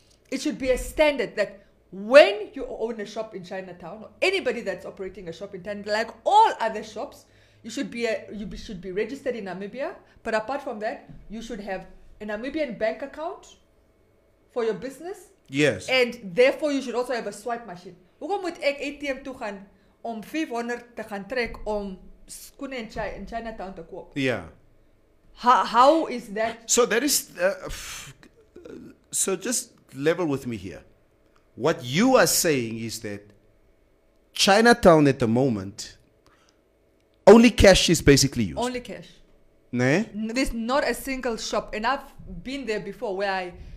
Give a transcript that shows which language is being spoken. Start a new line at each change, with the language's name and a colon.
English: It should be a standard that when you own a shop in Chinatown, or anybody that's operating a shop in town, like all other shops, You should be registered in Namibia. But apart from that, you should have a Namibian bank account for your business. Yes. And therefore, you should also have a swipe machine.
Afrikaans: Hoe kom moet ek ATM toe gaan om 500 te gaan trek om skoene in Chinatown te koop?
English: Yeah. How is that? So that is. So just level with me here. What you are saying is that Chinatown at the moment. Only cash is basically used. Only cash. Nah? There's not a single shop. And I've been there before where I...